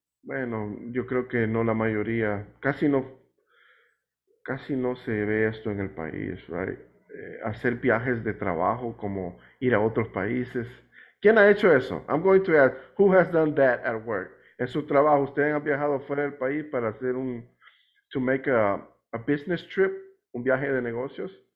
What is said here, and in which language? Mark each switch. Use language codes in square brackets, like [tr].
[es] Bueno, yo creo que no la mayoría, casi no se ve esto en el país, right? Hacer viajes de trabajo como ir a otros países. ¿Quién ha hecho eso? [en] I'm going to ask, who has done that at work? [es] En su trabajo, ¿ustedes han viajado fuera del país para hacer un, [en] to make a business trip, [es] un viaje de negocios?